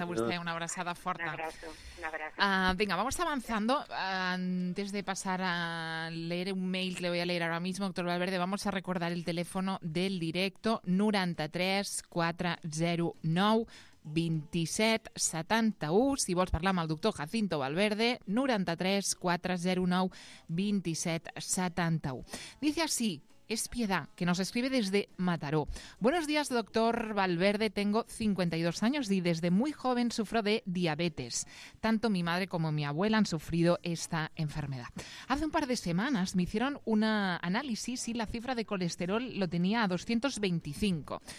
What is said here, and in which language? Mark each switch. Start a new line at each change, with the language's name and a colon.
Catalan: A vostè, una abraçada forta.
Spanish: Un abrazo. Venga, vamos avanzando. Antes de pasar a leer un mail que le voy a leer ahora mismo, doctor Valverde, vamos a recordar el teléfono del directo 93-409-2771.
Catalan: Si vols parlar amb el doctor Jacinto Valverde, 93-409-2771.
Spanish: Dice así... Es Piedad, que nos escribe desde Mataró. Buenos días, doctor Valverde. Tengo 52 años y desde muy joven sufro de diabetes. Tanto mi madre como mi abuela han sufrido esta enfermedad. Hace un par de semanas me hicieron una análisis y la cifra de colesterol lo tenía a 225.